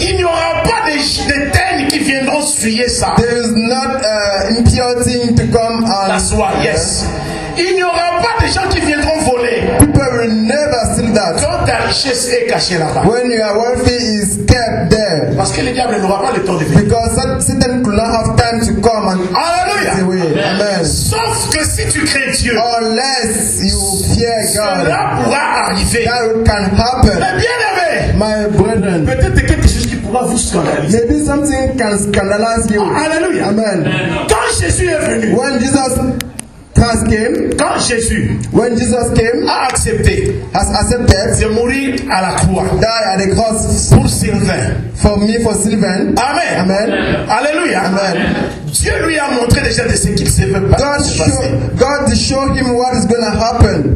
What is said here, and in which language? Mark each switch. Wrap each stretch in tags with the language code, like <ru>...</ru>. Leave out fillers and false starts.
<fr>Il n'y aura pas de teignes qui viendront souiller ça.</fr> <en>There is not impure thing to come and. That's why. Yes.</en> <fr>Il n'y aura pas de gens qui viendront voler.</fr> <en>People will never steal that.</en> <fr>Quand ta richesse est cachée là-bas.</fr> <en>When your wealth is kept there.</en> <fr>Parce que le diable n'aura pas le temps de venir.</fr> <en>Because Satan could not have time to come and. Alléluia. Amen.</en> <fr>Sauf que si tu crains Dieu.</fr> <en>Unless you fear God.</en> <fr>Cela pourra arriver.</fr> <en>That can happen.</en> <fr>Mais bien aimé.</fr> <en>My brethren.</en> <fr>Peut-être quelque chose qui pourra vous scandaliser.</fr> <en>Maybe something can scandalize you. Alléluia. Amen.</en> <fr>Quand Jésus est venu.</fr> <en>When Jesus. Came,</en> <fr>quand Jésus,</fr> <en>when Jesus came,</en> <fr>a accepté,</fr> <en>has accepted,</en> <fr>de mourir à la croix,</fr> <en>die at the cross</en> <fr>pour Sylvain,</fr> <en>for me, for Sylvain, amen, amen, alléluia, amen.</en> <fr>Dieu lui a montré déjà de ce qu'il s'est fait passer.</fr> <en>God show him what is going to happen.</en>